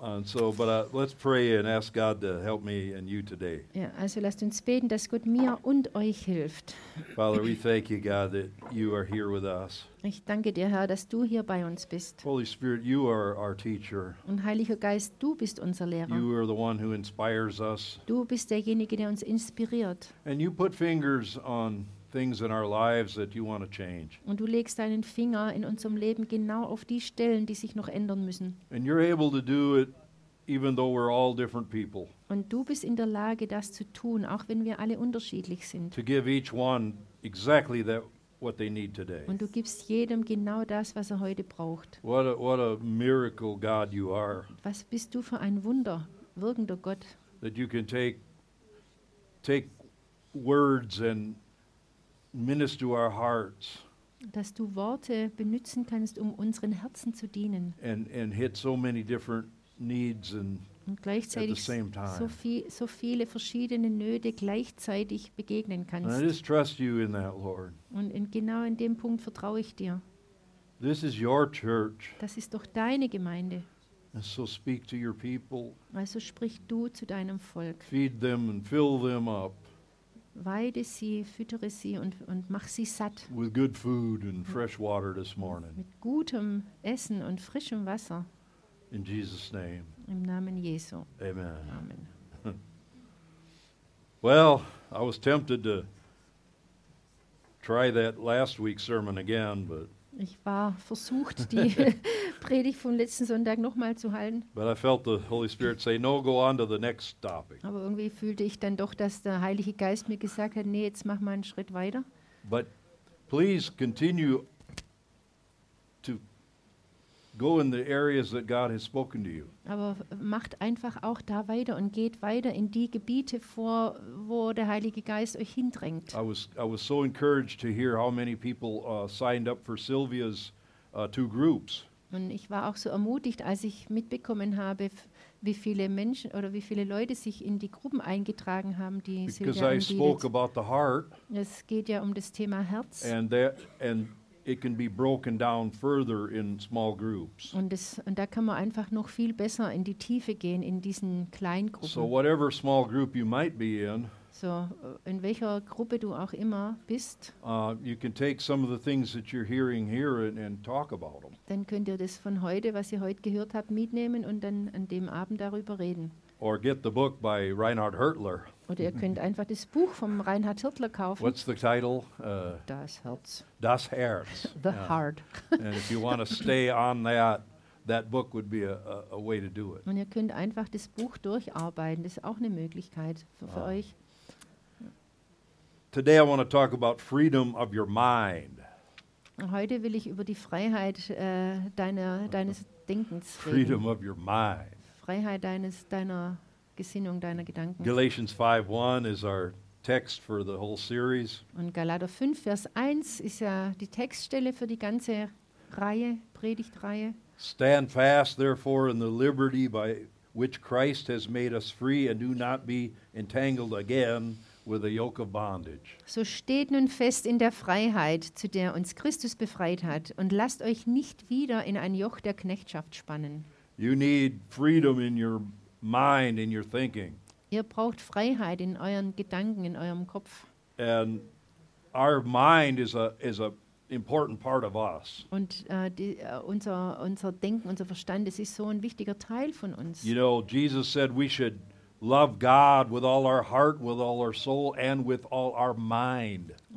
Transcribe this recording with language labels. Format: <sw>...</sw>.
<en>And so, but let's pray and ask God to help me and you today.</en> <de>Ja, also lasst uns beten, dass Gott mir und euch hilft.</de> <en>Father, we thank you, God, that you are here with us.</en> <de>Ich danke dir, Herr, dass du hier bei uns bist.</de> <en>Holy Spirit, you are our teacher.</en> <de>Und Heiliger Geist, du bist unser Lehrer.</de> <en>You are the one who inspires us.</en> <de>Du bist derjenige, der uns inspiriert.</de> <en>And you put fingers on things in our lives that you want to change.</en> <de>Und du legst deinen Finger in unserem Leben genau auf die Stellen, die sich noch ändern müssen.</de> <en>And you're able to do it even though we're all different people.</en> <de>Und du bist in der Lage, das zu tun, auch wenn wir alle unterschiedlich sind.</de> <en>To give each one exactly that what they need today.</en> <de>Und du gibst jedem genau das, was er heute braucht.</de> <en>What a miracle God you are.</en> <de>Was bist du für ein Wunder, wirkender Gott?</de> <en>That you can take words and minister to our hearts.</en> <de>Dass du Worte benutzen kannst, um unseren Herzen zu dienen.</de> <en>And hit so many different needs and</en> <de>und gleichzeitig</de> <en>at the same time.</en> <de>So viele verschiedene Nöte gleichzeitig begegnen kannst.</de> <en>And I just trust you in that, Lord.</en> <de>Und genau in dem Punkt vertraue ich dir.</de> <en>This is your church.</en> <de>Das ist doch deine Gemeinde.</de> <en>And so speak to your people.</en> <de>Also sprich du zu deinem Volk.</de> <en>Feed them and fill them up.</en> <de>Weide sie, füttere sie und mach sie satt.</de> <en>With good food and fresh water this morning.</en> <de>Mit gutem Essen und frischem Wasser.</de> <en>In Jesus' name.</en> <de>Im Namen Jesu.</de> <en>Amen.</en> <de>Amen.</de> <en>Well, I was tempted to try that last week's sermon again, but</en> <de>ich war versucht, die Predigt vom letzten Sonntag nochmal zu halten.</de> <en>But I felt the Holy Spirit say, no, go on to the next topic.</en> <de>Aber irgendwie fühlte ich dann doch, dass der Heilige Geist mir gesagt hat, nee, jetzt mach mal einen Schritt weiter.</de> <en>But please continue to go in the areas that God has spoken to you.</en> <de>Aber macht einfach auch da weiter und geht weiter in die Gebiete vor, wo der Heilige Geist euch hindrängt.</de> <en>I was so encouraged to hear how many people signed up for Sylvia's two groups.</en> <de>Und ich war auch so ermutigt, als ich mitbekommen habe, wie viele Menschen oder wie viele Leute sich in die Gruppen eingetragen haben, die Silvia anbietet.</de> <en>Because I spoke about the heart.</en> <de>Es geht ja um das Thema Herz.</de> <en>And that, and it can be broken down further in small groups.</en> <de>Und da kann man einfach noch viel besser in die Tiefe gehen in diesen Kleingruppen.</de> <en>So whatever small group you might be in.</en> <de>So, in welcher Gruppe du auch immer bist,</de> <en>you can take some of the things that you're hearing here and talk about them.</en> <de>Dann könnt ihr das von heute, was ihr heute gehört habt, mitnehmen und dann an dem Abend darüber reden.</de> <en>Or get the book by Reinhard Hertler.</en> <de>Oder ihr könnt einfach das Buch vom Reinhard Hertler kaufen.</de> <en>What's the title?</en> <de>Das Herz. Das Herz.</de> <en>The Heart. And if you want to stay on that, that book would be a way to do it.</en> <de>Und ihr könnt einfach das Buch durcharbeiten. Das ist auch eine Möglichkeit für euch.</de> <en>Today I want to talk about freedom of your mind.</en> <de>Heute will ich über die Freiheit deines Denkens reden.</de> <en>Freedom of your mind.</en> <de>Freiheit deiner Gesinnung, deiner Gedanken.</de> <en>Galatians 5:1 is our text for the whole series.</en> <de>Und Galater 5 Vers 1 ist ja die Textstelle für die ganze Reihe, Predigtreihe.</de> <en>Stand fast therefore in the liberty by which Christ has made us free and do not be entangled again with a yoke of bondage.</en> <de>So steht nun fest in der Freiheit, zu der uns Christus befreit hat, und lasst euch nicht wieder in ein Joch der Knechtschaft spannen.</de> <en>You need freedom in your mind, in your thinking.</en> <de>Ihr braucht Freiheit in euren Gedanken, in eurem Kopf.</de> <en>And our mind is a important part of us.</en> <de>Und unser Denken, unser Verstand, das ist so ein wichtiger Teil von uns.</de> <en>You know, Jesus said we should love God with all our heart, with all our soul, and with all our mind.</en>